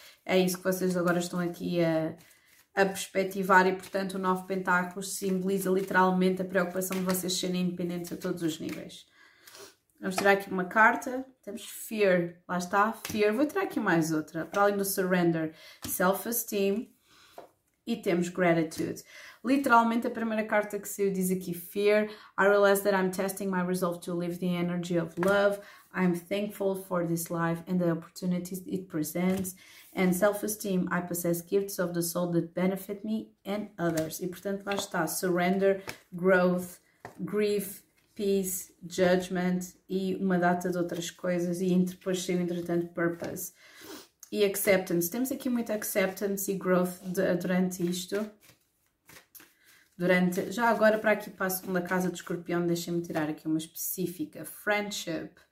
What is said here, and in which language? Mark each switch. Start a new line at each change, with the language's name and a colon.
Portuguese: É isso que vocês agora estão aqui a perspectivar, e portanto, o Nove Pentáculos simboliza literalmente a preocupação de vocês serem independentes a todos os níveis. Vamos tirar aqui uma carta. Temos Fear. Lá está, Fear. Vou tirar aqui mais outra. Para além do Surrender, Self-Esteem. E temos Gratitude. Literalmente, a primeira carta que saiu diz aqui: Fear.
English: I realize that I'm testing my resolve to live the energy of love. I'm thankful for this life and the opportunities it presents. And Self-Esteem. I possess gifts of the soul that benefit me and others.
Portuguese: E portanto, lá está: Surrender, Growth, Grief. Peace, Judgment e uma data de outras coisas, e depois saiu, entretanto, Purpose e Acceptance. Temos aqui muito Acceptance e Growth durante isto. Já agora, para aqui para a segunda casa de Escorpião, deixem-me tirar aqui uma específica: Friendship.